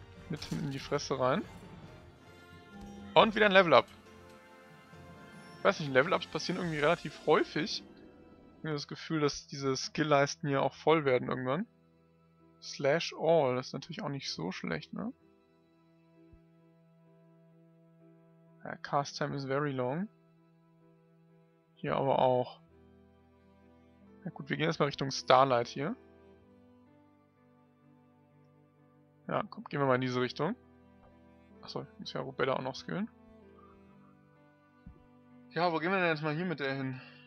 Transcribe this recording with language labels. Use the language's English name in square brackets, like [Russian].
[German] Mitten in die Fresse rein. Und wieder ein Level Up. Ich weiß nicht, Level Ups passieren irgendwie relativ häufig. Ich habe das Gefühl, dass diese Skill-Leisten hier auch voll werden irgendwann. Slash All, das ist natürlich auch nicht so schlecht, ne? [English] Ja, Cast Time is very long. [German] Hier aber auch. Na gut, wir gehen erstmal Richtung Starlight hier. Ja, komm, gehen wir mal in diese Richtung. Achso, ich muss ja Rubella auch noch skillen. Ja, wo gehen wir denn jetzt mal hier mit der hin?